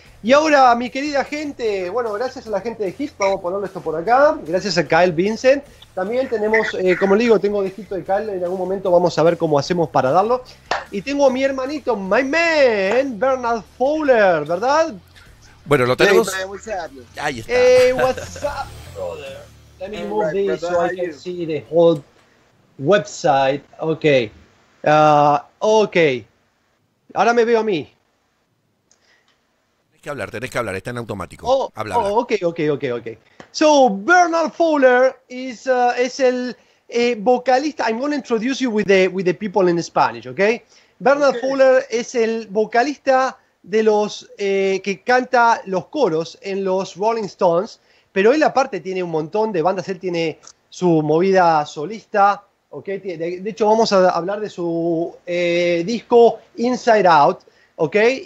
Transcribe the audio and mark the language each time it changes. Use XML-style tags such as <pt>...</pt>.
<es>Y ahora, mi querida gente, bueno, gracias a la gente de Hit, vamos a ponerlo esto por acá, gracias a Kyle Vincent. También tenemos, como le digo, tengo distinto de Kyle, en algún momento vamos a ver cómo hacemos para darlo. Y tengo a mi hermanito,</es> <en>my man,</en> <es>Bernard Fowler, ¿verdad? Bueno, lo tenemos. Ahí está.</es> <en>Hey, what's up, brother? Let me move this so I can see the whole website.</en> <es>Ok. Ahora me veo a mí. Tenés que hablar, está en automático.</es> <en>Ok. So, Bernard Fowler is</en> <es>el vocalista.</es> <en>I'm going to introduce you with the people in Spanish, okay?</en> <es>Bernard Fowler es el vocalista de los que canta los coros en los Rolling Stones, pero él aparte tiene un montón de bandas. Él tiene su movida solista, okay? De hecho, vamos a hablar de su disco Inside Out, okay?</es>